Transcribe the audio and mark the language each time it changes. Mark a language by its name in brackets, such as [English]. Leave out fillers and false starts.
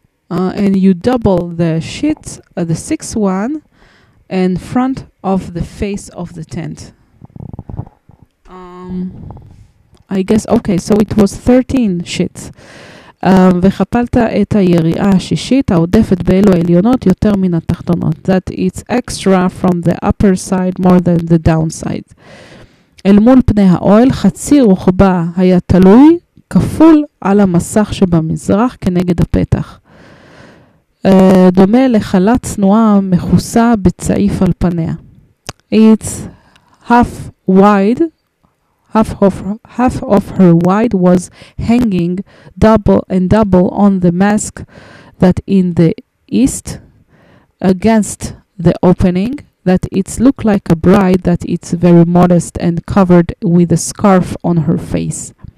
[English] And you double the sheets, the sixth one, in front of the face of the tent. I guess, okay, so it was 13 sheets. [Hebrew] וחפלת את היריעה השישית, העודפת באלו העליונות יותר מן התחתונות. [English] That it's extra from the upper side more than the downside. [Hebrew] אל מול פני האוהל, חצי רוחבה היה תלוי, כפול על המסך שבמזרח כנגד הפתח. דומה לחלה צנועה מחוסה בצעיף על פניה. [English] It's half wide. Half of her wide was hanging double and double on the mask that in the east against the opening that it's looked like a bride that it's very modest and covered with a scarf on her face.